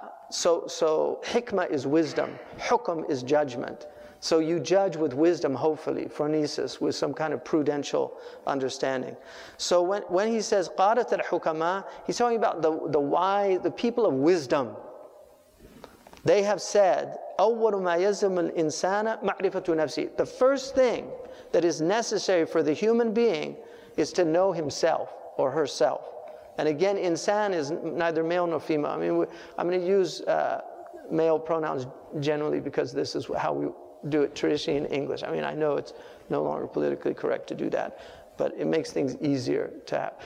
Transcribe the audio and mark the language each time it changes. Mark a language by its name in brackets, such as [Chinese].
[English] So hikmah is wisdom. Hukam is judgment. So you judge with wisdom, hopefully, phronesis, with some kind of prudential understanding. So when he says qadat al-hukama, he's talking about the wise, the people of wisdom. They have said, [Arabic] أول ما يلزم الإنسان معرفة نفسه. [English] The first thing that is necessary for the human being is to know himself or herself. And again, insan is neither male nor female. I mean, I'm going to use male pronouns generally because this is how we do it traditionally in English. I mean, I know it's no longer politically correct to do that, but it makes things easier to have.